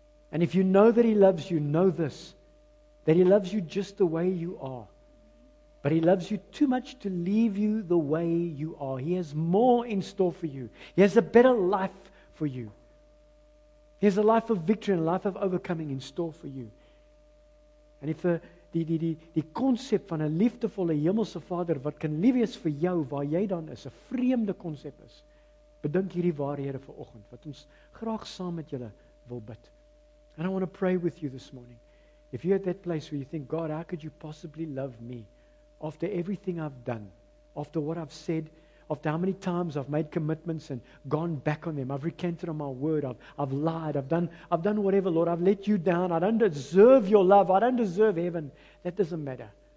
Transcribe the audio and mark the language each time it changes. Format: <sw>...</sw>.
<en>And if you know that He loves you, know this, that He loves you just the way you are. But He loves you too much to leave you the way you are. He has more in store for you. He has a better life for you. He has a life of victory and a life of overcoming in store for you.</en> <af>And if die konsep van 'n liefdevolle hemelse Vader wat kan lief wees vir jou waar jy dan is, 'n vreemde konsep is, bedink hierdie waarhede vir oggend wat ons graag saam met julle wil bid.</af> <en>And I want to pray with you this morning. If you're at that place where you think, God, how could you possibly love me after everything I've done, after what I've said, after how many times I've made commitments and gone back on them, I've recanted on my word, I've lied, I've done whatever, Lord, I've let you down, I don't deserve your love, I don't deserve heaven. That doesn't matter.</en>